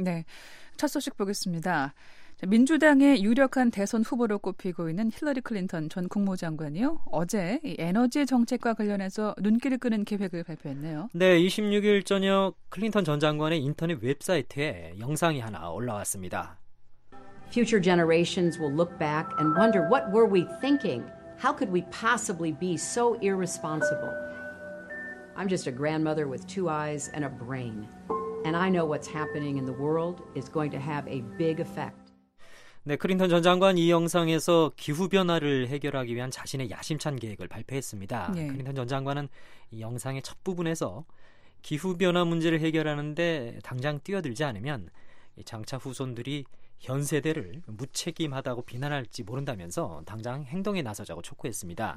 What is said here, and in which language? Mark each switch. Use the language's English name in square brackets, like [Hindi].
[Korean] 네, 첫 소식 보겠습니다. 민주당의 유력한 대선 후보로 꼽히고 있는 힐러리 클린턴 전 국무장관이요. 어제 에너지 정책과 관련해서 눈길을 끄는 계획을 발표했네요. 네, 26일 저녁 클린턴 전 장관의 인터넷 웹사이트에 영상이 하나 올라왔습니다. [English] Future generations will look back and wonder what were we thinking? How could we possibly be so irresponsible? I'm just a grandmother with two eyes and a brain. And I know what's happening in the world is going to have a big effect. [Korean] 네, 클린턴 전 장관 이 영상에서 기후변화를 해결하기 위한 자신의 야심찬 계획을 발표했습니다. 네. 클린턴 전 장관은 이 영상의 첫 부분에서 기후변화 문제를 해결하는데 당장 뛰어들지 않으면 장차 후손들이 현 세대를 무책임하다고 비난할지 모른다면서 당장 행동에 나서자고 촉구했습니다.